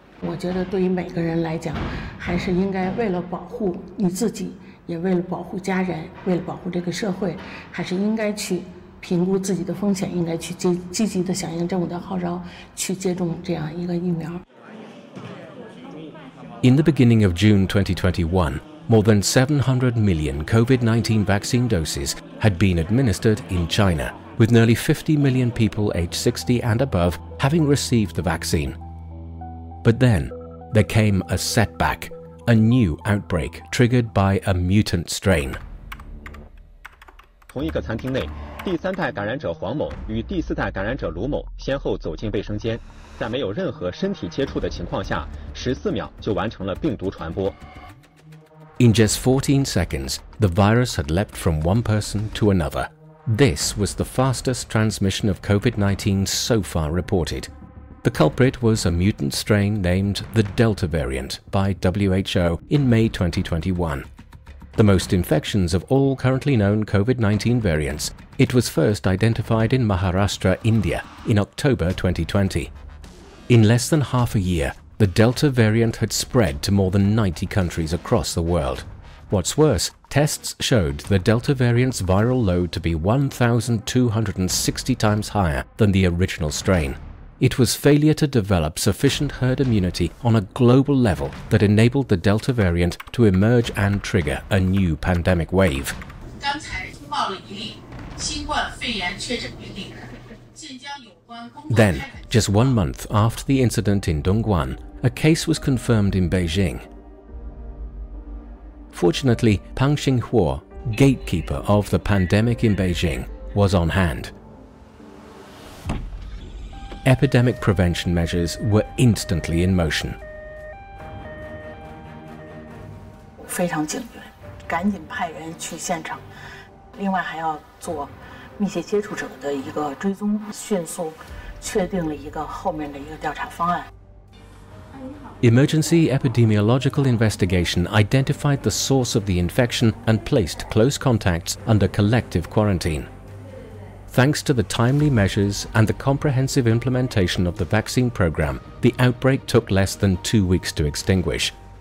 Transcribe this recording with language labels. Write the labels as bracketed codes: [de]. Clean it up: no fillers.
[zh] 我觉得对于每个人来讲，还是应该为了保护你自己，也为了保护家人，为了保护这个社会，还是应该去评估自己的风险，应该去积极的响应政府的号召，去接种这样一个疫苗。 [en] In the beginning of June 2021, more than 700 million COVID-19 vaccine doses had been administered in China, with nearly 50 million people aged 60 and above having received the vaccine. But then, there came a setback, a new outbreak triggered by a mutant strain. [zh] 同一个餐厅内，第三代感染者黄某与第四代感染者卢某先后走进卫生间，在没有任何身体接触的情况下，14秒就完成了病毒传播。 [en] In just 14 seconds, the virus had leapt from one person to another. This was the fastest transmission of COVID-19 so far reported. The culprit was a mutant strain named the Delta variant by WHO in May 2021. The most infections of all currently known COVID-19 variants, it was first identified in Maharashtra, India, in October 2020. In less than half a year, the Delta variant had spread to more than 90 countries across the world. What's worse, tests showed the Delta variant's viral load to be 1,260 times higher than the original strain. It was failure to develop sufficient herd immunity on a global level that enabled the Delta variant to emerge and trigger a new pandemic wave. [zh] 刚才通报了一例新冠肺炎确诊病例，现将有关工作。 [en] Then, just 1 month after the incident in Dongguan, a case was confirmed in Beijing. Fortunately, Pang Xinghuo, gatekeeper of the pandemic in Beijing, was on hand. Epidemic prevention measures were instantly in motion. [zh] 非常警觉，赶紧派人去现场，另外还要做密切接触者的一个追踪，迅速确定了一个后面的一个调查方案。 [en] Emergency epidemiological investigation identified the source of the infection and placed close contacts under collective quarantine. Thanks to the timely measures and the comprehensive implementation of the vaccine program, the outbreak took less than 2 weeks to extinguish.